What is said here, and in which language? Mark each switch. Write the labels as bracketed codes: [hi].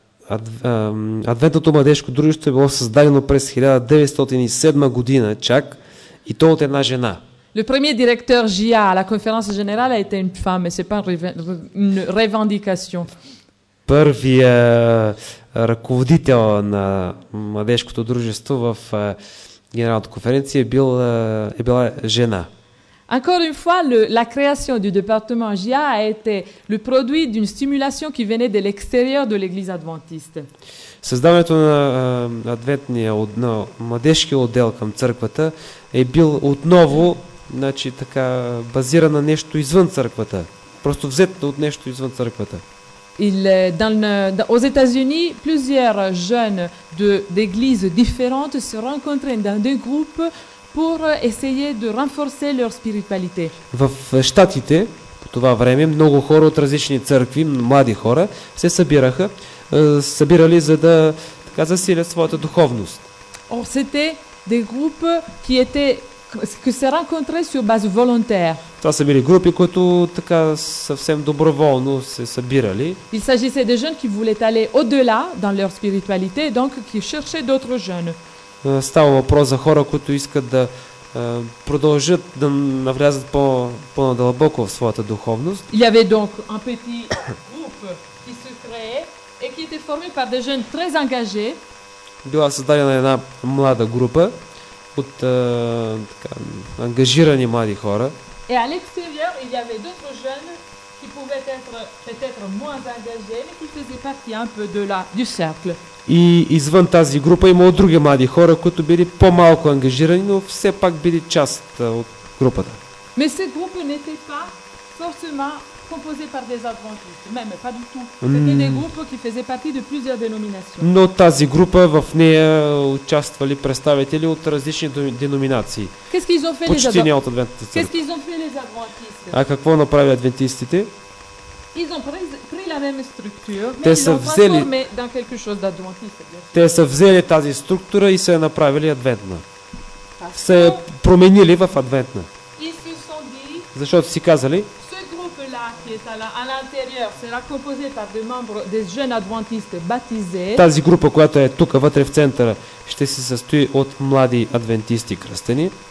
[bg] Адвентното младежко дружество е било създадено през 1907 година чак, и то от една жена. [fr] Le premier directeur JIA à la conférence générale a été une femme, mais c'est pas une revendication. [bg] Първият ръководител на младежкото дружество в генералната конференция е била жена. [fr] Encore une fois, la création du département JIA a été le produit d'une stimulation qui venait de l'extérieur de l'église adventiste. [bg] Създаването на адвентния младежки отдел към църквата е бил отново, значи така, базиран на нещо извън църквата. Просто взет от нещо извън църквата. [fr] Aux États-Unis, plusieurs jeunes d'églises différentes se rencontrent dans des groupes pour essayer de renforcer leur spiritualité. [bg] В Щатите, по това време, много хора от различни църкви, млади хора, се събирали, за да така засилят своята духовност. [fr] Or, c'était des groupes qui étaient que se rencontraient sur base volontaire. [bg] Това са били групи, които така съвсем доброволно се събирали. [fr] Il s'agissait des jeunes qui voulaient aller au-delà dans leur spiritualité, donc qui cherchaient d'autres jeunes. [bg] Става въпрос за хора, които искат да продължат да навлязат по-надълбоко в своята духовност. [fr] Il y avait donc un petit groupe qui se créait et qui était formé par des jeunes très engagés. [bg] Била създадена една млада група от така ангажирани млади хора. [fr] Et à l'extérieur, il y avait d'autres jeunes qui pouvaient être peut-être moins engagés, mais qui faisaient partie un peu de là du cercle. [bg] И извън тази група имало други млади хора, които били по-малко ангажирани, но все пак били част от групата. [fr] Mais ce groupe n'était pas forcément composé par des adventistes, même pas du tout. C'était des groupes qui faisaient partie de plusieurs dénominations. [bg] Но тази група, в нея участвали представители от различни деноминации. [fr] Qu'est-ce qu'ils ont fait [bg] почти не от адвентистите? [fr] Qu'est-ce qu'ils ont fait les adventistes? [bg] А какво направи адвентистите? [fr] Ils ont pris la même structure, mais ils l'ont transformé dans quelque chose d'adventiste. [bg] Те са взели тази структура и са я направили адвентна. Се променили в адвентна. [fr] Ils se sont dit, [bg] защото си казали, [fr] ce groupe-là qui est à l'intérieur sera composé par des membres des jeunes adventistes baptisés. [bg] Тази група, която е тук вътре в центъра, ще се състои от млади адвентисти кръстени.